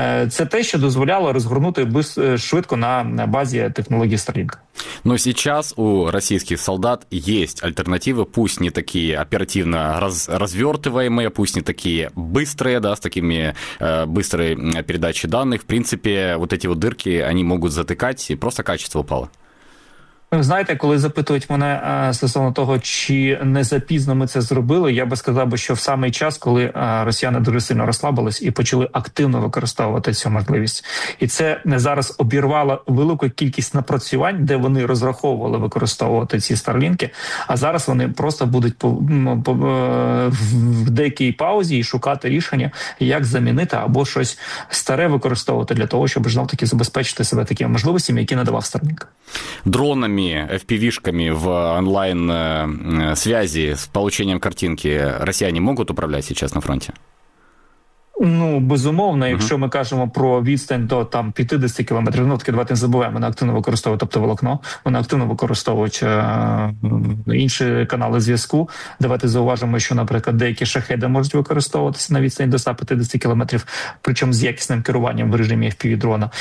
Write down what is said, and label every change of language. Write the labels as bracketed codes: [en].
[uk] Це те, що дозволяло розгорнути швидко на базі технології Starlink. [ru] Но сейчас у российских солдат есть альтернативы, пусть не такие оперативно развертываемые, пусть не такие быстрые, да, с такими быстрой передачей данных. В принципе, вот эти вот дырки, они могут затыкать, и просто качество упало. [uk] Ви знаєте, коли запитують мене стосовно того, чи не запізно ми це зробили, я би сказав, що в самий час, коли росіяни дуже сильно розслабились і почали активно використовувати цю можливість. І це не зараз обірвало велику кількість напрацювань, де вони розраховували використовувати ці старлінки, а зараз вони просто будуть в деякій паузі і шукати рішення, як замінити або щось старе використовувати для того, щоб знов-таки забезпечити себе такими можливостями, які надавав Starlink. [ru] Дрони FPV-шками в онлайн-связи с получением картинки россияне могут управлять сейчас на фронте? [uk] Ну, безумовно, якщо ми кажемо про відстань до там 50 кілометрів, ну, таки давайте не забуваємо, вони активно використовують оптоволокно, вони активно використовують інші канали зв'язку. Давайте зауважимо, що, наприклад, деякі шахеди можуть використовуватися на відстані до 150 кілометрів, причому з якісним керуванням в режимі FPV-дрона.